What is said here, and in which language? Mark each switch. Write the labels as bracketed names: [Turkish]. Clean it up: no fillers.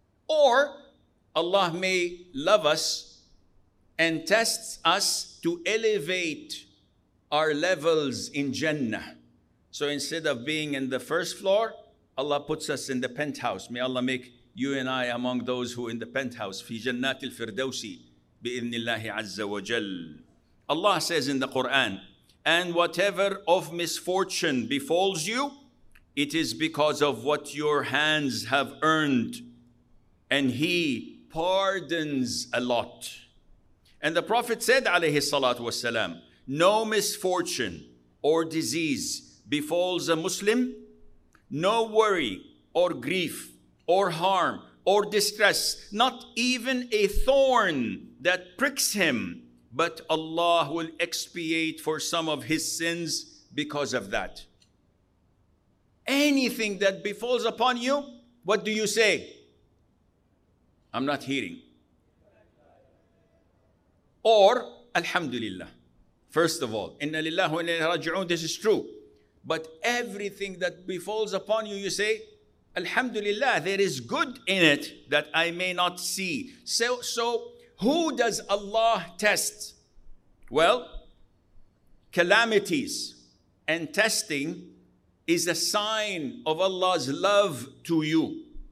[English] Or Allah may love us and test us to elevate our levels in Jannah. So instead of being in the first floor, Allah puts us in the penthouse. May Allah make you and I among those who are in the penthouse. [Arabic] في جنات الفردوس بإذن الله عز وجل. [English] Allah says in the Quran, and whatever of misfortune befalls you, it is because of what your hands have earned. And He pardons a lot. And the Prophet said, alayhi salatu wasalam, no misfortune or disease befalls a Muslim, no worry or grief or harm or distress, not even a thorn that pricks him, but Allah will expiate for some of his sins because of that. Anything that befalls upon you, what do you say? I'm not hearing. Or, Alhamdulillah. First of all, [Arabic] إِنَّ لِلَّهُ وَإِنَّ إِلَيْهِ رَاجِعُونَ. [English] This is true. But everything that befalls upon you, you say, Alhamdulillah, there is good in it that I may not see. So who does Allah test? Well, calamities and testing is a sign of Allah's love to you.